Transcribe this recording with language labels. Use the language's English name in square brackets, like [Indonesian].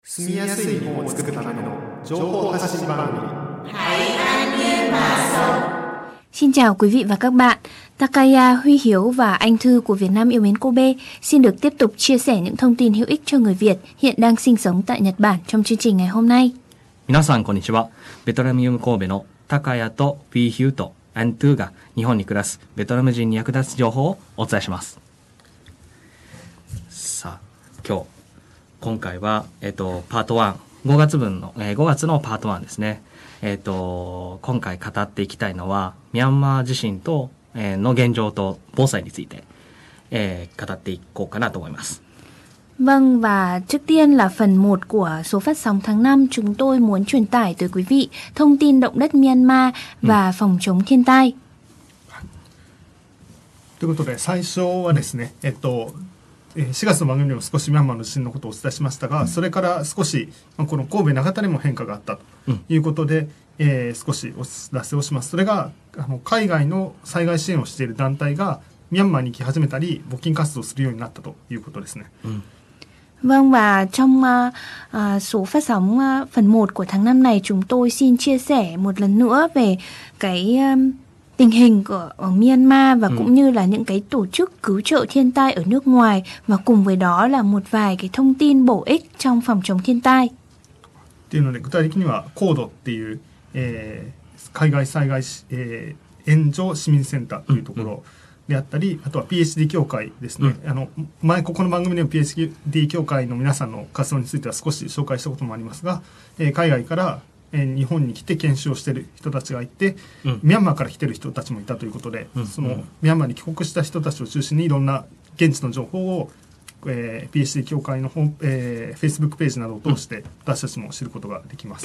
[Japanese] 住みやすい日本を作るための情報発信番組台湾ニュース。 [Vietnamese] Xin chào quý vị và các bạn. Takaya, Huy Hiếu và Anh Thư của Việt Nam yêu mến Kobe xin được tiếp tục chia sẻ những thông tin hữu ích cho người Việt hiện đang sinh sống tại Nhật Bản trong chương trình ngày hôm nay. [Japanese] 皆さんこんにちは。ベトナム神戸の Takaya と Huy Hiếu と Anh Thư が日本に暮らすベトナム人に役立つ情報をお伝えします。さあ、今回はパート1、5月のパート1ですね。今回語っていきたいのはミャンマー地震と、の現状と防災について、語っていこうかなと思います。 [Vietnamese] Vâng, và trước tiên là phần 1 của số phát sóng tháng 5, chúng tôi muốn truyền tải tới quý vị thông tin động đất Myanmar và phòng chống thiên tai. [Japanese] ということで最初はですね、4月の番組でも少しミャンマーの地震のことをお伝えしましたが、それから少しこの神戸長田にも変化があったということで、少しお知らせをします。それが海外の災害支援をしている団体がミャンマーに来始めたり募金活動をするようになったということですね。 [Vietnamese] Vâng, và trong số phát sóng phần 1 của tháng 5 này, chúng tôi xin chia sẻ một lần nữa về cái tình hình ở Myanmar và cũng như là những cái tổ chức cứu trợ thiên tai ở nước ngoài, và cùng với đó là một vài cái thông tin bổ ích trong phòng chống thiên tai. [Japanese] というので、具体的には CODE っていう、海外災害、援助市民センターというところであったり、あとは PhD 協会ですね。前ここの番組でも PhD 協会の皆さんの活動については少し紹介したこともありますが、海外から日本に来て研修をしている人たちがいて、ミャンマーから来ている人たちもいたということで、そのミャンマーに帰国した人たちを中心にいろんな現地の情報を、PhD 協会の Facebook ページなどを通して私たちも知ることができます。